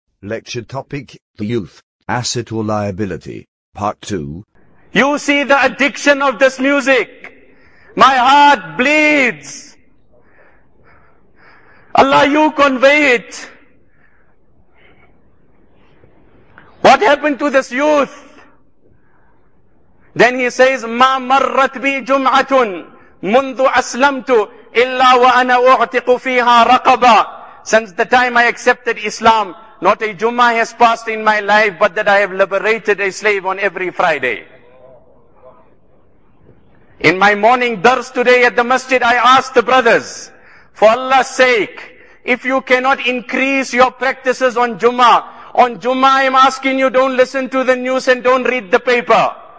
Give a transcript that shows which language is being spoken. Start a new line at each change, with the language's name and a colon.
English: Lecture topic, the youth, asset or liability, part 2. You see the addiction of this music. My heart bleeds. Allah, you convey it. What happened to this youth?
Arabic: Then he says, ما مرت بي جمعة منذ أسلمت إلا وأنا أعتق فيها رقبا.
English: Since the time I accepted Islam, not a Jummah has passed in my life but that I have liberated a slave on every Friday. In my morning dars today at the masjid, I asked the brothers, for Allah's sake, if you cannot increase your practices on Jummah I'm asking you, don't listen to the news and don't read the paper.